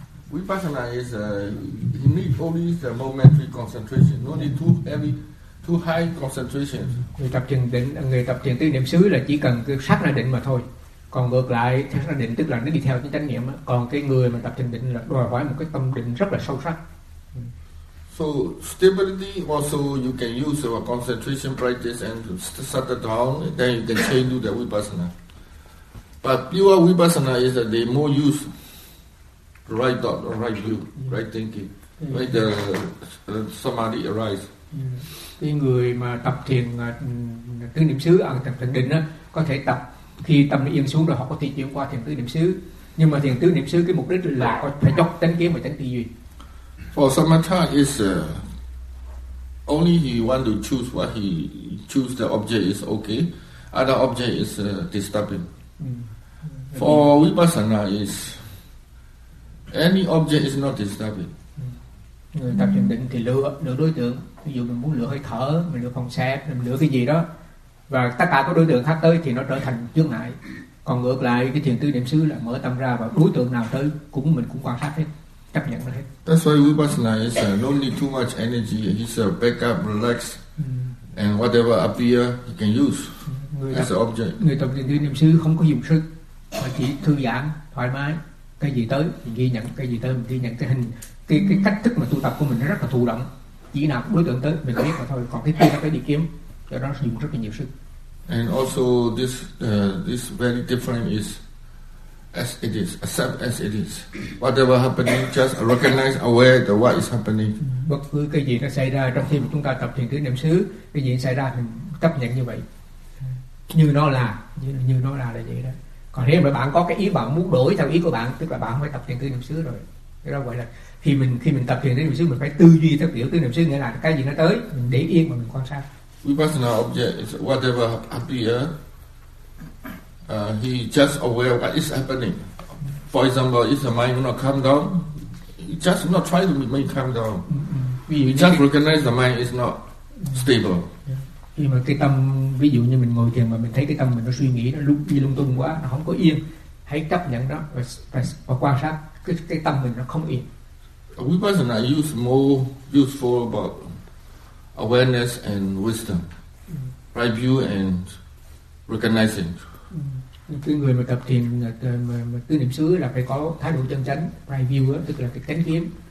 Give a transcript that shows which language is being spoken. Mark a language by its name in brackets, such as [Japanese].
[English] Vipassana is he need only the momentary concentration, no need too high concentration. [Vietnamese] Người tập thiền tứ niệm xứ là chỉ cần cái sát na định mà thôi. Còn ngược lại, sát na định tức là nó đi theo cái chánh niệm. Còn cái người mà tập thiền định là đòi hỏi một cái tâm định rất là sâu sắc. [English] So stability also you can use your concentration practice and shut it down, then you can change to the Vipassana. But pure Vipassana is that they more use right thought, right view, right thinking, right the samadhi arise. [Vietnamese] Cái người mà tập thiền tứ niệm xứ, tập thiền định á, có thể tập khi tâm nó yên xuống rồi họ có thể chuyển qua thiền tứ niệm xứ. Nhưng mà thiền tứ niệm xứ cái mục đích là phải chốt tránh kiến và tránh tư duy. [English] For samatha is only he want to choose what he choose the object is okay, other object is disturbing. For vipassana is any object is not disturbing. [Vietnamese] Người tập thiền định thì lựa đối tượng. Ví dụ mình muốn lựa hơi thở, mình lựa phòng xẹp, mình lựa cái gì đó, và tất cả các đối tượng khác tới thì nó trở thành chướng ngại. Còn ngược lại, cái thiền tứ niệm xứ là mở tâm ra, và đối tượng nào tới cũng mình cũng quan sát hết, chấp nhận hết. [English] That's why Vipassana is no need too much energy. He's back up, relax, and whatever appear he can use as an object. [Vietnamese] Người tập thiền tứ niệm xứ không có dùng sức, mà chỉ thư giãn, thoải mái. Cái gì tới mình ghi nhận, cái gì tới mình ghi nhận, cái hình, cái cách thức mà tu tập của mình nó rất là thụ động, chỉ nào đối tượng tới mình biết mà thôi. Còn cái kia nó phải đi kiếm, cho nó dùng rất là nhiều sức. [English] And also this this very different is as it is, accept as it is, whatever happening just recognize, aware the what is happening. [Vietnamese] Bất cứ cái gì nó xảy ra, trong khi mà chúng ta tập thiền tứ niệm xứ, cái gì xảy ra mình chấp nhận như vậy, như nó là vậy đó. Còn nếu mà bạn có cái ý bạn muốn đổi theo ý của bạn, tức là bạn phải tập thiền tứ niệm xứ rồi. Cái đó gọi là khi mình tập thiền tứ niệm xứ, mình phải tư duy theo kiểu tứ niệm xứ, nghĩa là cái gì nó tới mình để yên mà mình quan sát. [English] Vipassana object is whatever appear, he just aware what is happening. For example, if the mind not calm down, he just not try to make calm down. He just recognize the mind is not stable. [Vietnamese] Khi mà cái tâm, ví dụ như mình ngồi thiền mà mình thấy cái tâm mình nó suy nghĩ, nó lung đi lung tung quá, nó không có yên, hãy chấp nhận đó và quan sát cái tâm mình nó không yên. [English] Vipassana is more useful about awareness and wisdom, right view and recognizing. [Vietnamese] Cái người mà tập thiền tứ niệm xứ là phải có thái độ chân chánh, right view, tức là cái chánh kiến,